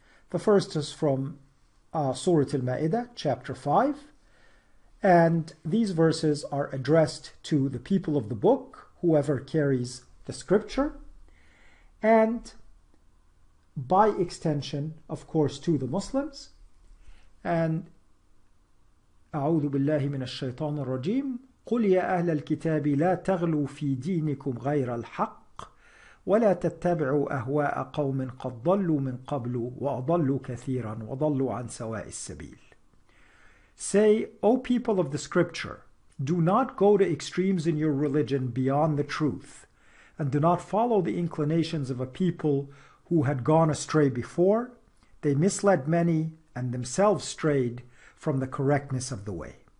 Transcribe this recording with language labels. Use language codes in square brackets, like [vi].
[en] The first is from Surah Al-Ma'idah, chapter 5. And these verses are addressed to the people of the book, whoever carries the scripture, and by extension, of course, to the Muslims. [ar] And أعوذ بالله من الشيطان الرجيم قل يا أهل الكتاب لا تغلوا في دينكم غير الحق ولا تتبعوا أهواء قوم قد ضلوا من قبل وأضلوا كثيرا وضلوا عن سواء السبيل. [en] Say, O people of the scripture, do not go to extremes in your religion beyond the truth, and do not follow the inclinations of a people who had gone astray before. They misled many and themselves strayed from the correctness of the way.